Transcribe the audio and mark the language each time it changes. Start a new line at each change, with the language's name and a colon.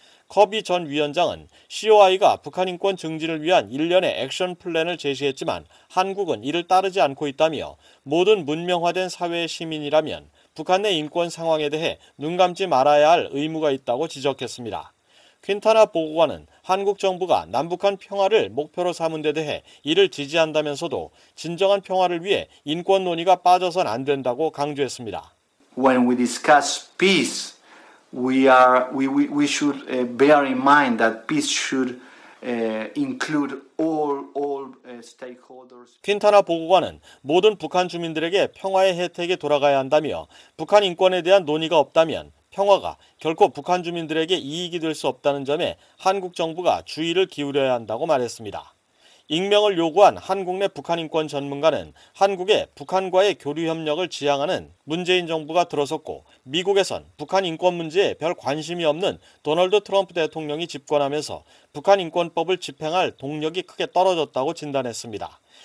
Korean: 커비 전 위원장은 COI가 북한인권 증진을 위한 일련의 액션 플랜을 제시했지만 한국은 이를 따르지 않고 있다며 모든 문명화된 사회의 시민이라면 북한 내 인권 상황에 대해 눈 감지 말아야 할 의무가 있다고 지적했습니다. 퀸타나 보고관은 한국 정부가 남북한 평화를 목표로 삼은 데 대해 이를 지지한다면서도 진정한 평화를 위해 인권 논의가 빠져선 안 된다고 강조했습니다.
English: When we discuss peace, we should bear in mind that peace should include all stakeholders.
Korean: 퀸타나 보고관은 모든 북한 주민들에게 평화의 혜택이 돌아가야 한다며 북한 인권에 대한 논의가 없다면 평화가 결코 북한 주민들에게 이익이 될 수 없다는 점에 한국 정부가 주의를 기울여야 한다고 말했습니다. 익명을 요구한 한국 내 북한 인권 전문가는 한국의 북한과의 교류 협력을 지향하는 문재인 정부가 들어섰고 미국에선 북한 인권 문제에 별 관심이 없는 도널드 트럼프 대통령이 집권하면서 북한 인권법을 집행할 동력이 크게 떨어졌다고 진단했습니다.